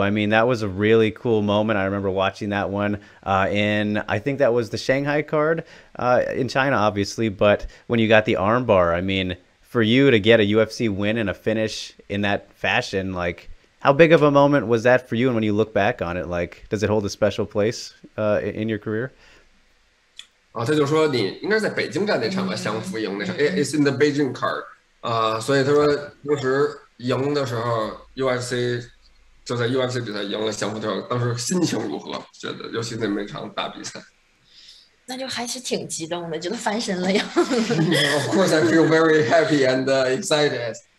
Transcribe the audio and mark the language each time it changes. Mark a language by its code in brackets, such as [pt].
[en] I mean, that was a really cool moment. I remember watching that one in, I think that was the Shanghai card in China, obviously. But when you got the armbar, I mean, for you to get a UFC win and a finish in that fashion, like, how big of a moment was that for you? And when you look back on it, like, does it hold a special place in your career? [zh] 他就说你应该在北京干那场吧，降服赢那场。 [en] It's in the Beijing card. [zh] 所以他说当时赢的时候，UFC 就在 UFC 比赛赢了降服之后，当时心情如何？觉得尤其那场大比赛，那就还是挺激动的，觉得翻身了呀。 [en] Of course, I feel very happy and excited.